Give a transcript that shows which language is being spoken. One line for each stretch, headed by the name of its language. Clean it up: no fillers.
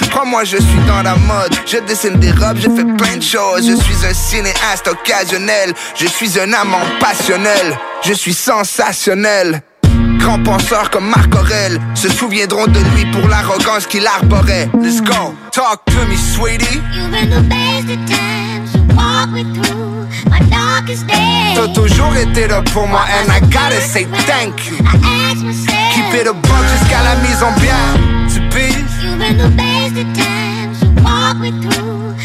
French: Crois-moi, je suis dans la mode, je dessine des robes, je fais plein de choses. Je suis un cinéaste occasionnel, je suis un amant passionnel. Je suis sensationnel. Grands penseurs comme Marc Aurèle se souviendront de lui pour l'arrogance qu'il arborait.
English: Let's go, talk to me, sweetie. You've been the best of times, you walk me through my darkest days.
French: T'as toujours été là pour moi,
English: and I gotta say thank you. I ask myself, keep it above
French: jusqu'à la mise en bière. Tu piges?
English: You've been the best of times, you walk me through.